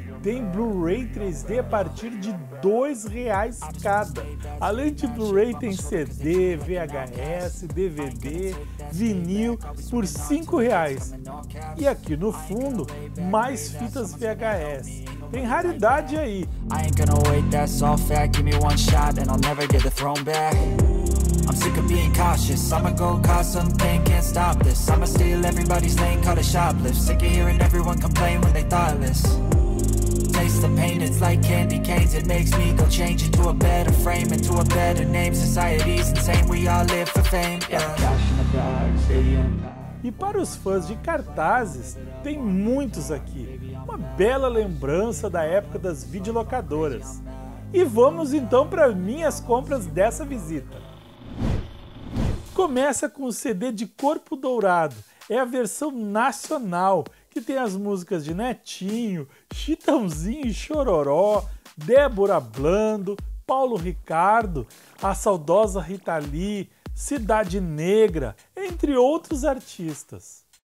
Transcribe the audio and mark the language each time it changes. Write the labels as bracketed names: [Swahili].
[Portuguese] Tem Blu-ray 3D a partir de R$2 cada. Além de Blu-ray, tem CD, VHS, DVD, vinil por R$5. E aqui no fundo, mais fitas VHS. Tem raridade aí. [English] I ain't gonna wait, that's all fair. Give me one shot and I'll never get the throne back. I'm sick of being cautious, I'ma go cause something, can't stop this. I'ma steal everybody's lane, call it shoplift. Sick of hearing everyone complain when they thoughtless. the pain, it's like candy canes. It makes me go change into a better frame, into a better name. Society's insane, we all live for fame, yeah. [Portuguese] E para os fãs de cartazes, tem muitos aqui. Uma bela lembrança da época das videolocadoras. E vamos então para minhas compras dessa visita. Começa com o CD de Corpo Dourado. É a versão nacional, que tem as músicas de Netinho, Chitãozinho e Chororó, Débora Blando, Paulo Ricardo, a saudosa Rita Lee, Cidade Negra, entre outros artistas.